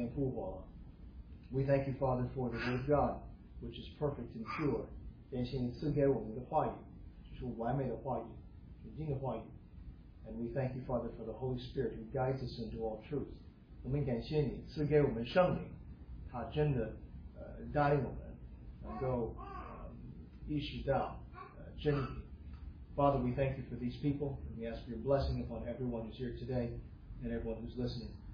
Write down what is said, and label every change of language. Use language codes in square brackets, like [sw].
[zh] 我们为主耶稣基督的独生子很感恩，感谢你，因为他在十字架上为我们的罪死了，第三天复活了。 [en] We thank you, Father, for the Word of God, which is perfect and pure. [zh] 感谢你赐给我们的话语，就是完美的话语，纯净的话语。 [en] And we thank you, Father, for the Holy Spirit who guides us into all truth. [zh] 我们感谢你赐给我们圣灵，他真的带领我们能够意识到真理。 [en] Father, we thank you for these people, and we ask for your blessing upon everyone who's here today and everyone who's listening.